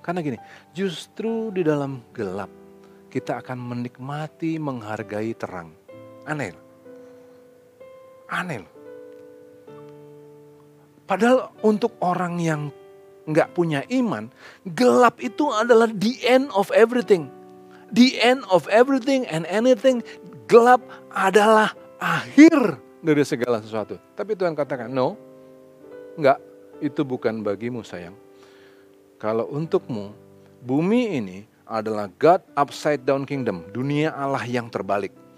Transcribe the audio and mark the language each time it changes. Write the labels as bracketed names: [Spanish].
[Indonesian] Karena gini, justru di dalam gelap kita akan menikmati, menghargai terang. Aneh. Padahal untuk orang yang gak punya iman, gelap itu adalah [English] the end of everything. The end of everything and anything. [Indonesian] Gelap adalah akhir dari segala sesuatu. Tapi Tuhan katakan, no, Enggak, itu bukan bagimu sayang. Kalau untukmu, bumi ini adalah [English] God upside down kingdom, [Indonesian] dunia Allah yang terbalik.